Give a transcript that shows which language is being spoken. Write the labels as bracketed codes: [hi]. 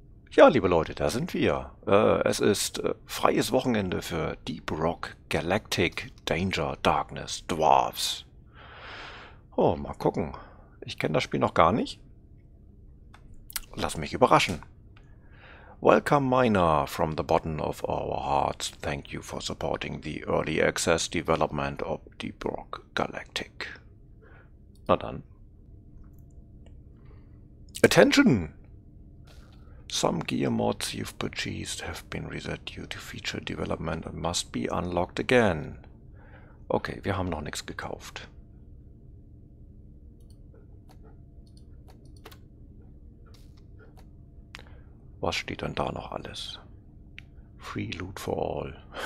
[de] Ja, liebe Leute, da sind wir. Es ist freies Wochenende für Deep Rock Galactic Danger Darkness Dwarves. Oh, mal gucken. Ich kenne das Spiel noch gar nicht. Lass mich überraschen. [en] Welcome, Miner, from the bottom of our hearts. Thank you for supporting the early access development of Deep Rock Galactic. [de] Na dann. [en] Attention! Some gear mods you've purchased have been reset due to feature development and must be unlocked again. [de] Okay, wir haben noch nichts gekauft. Was steht denn da noch alles? [en] Free loot for all.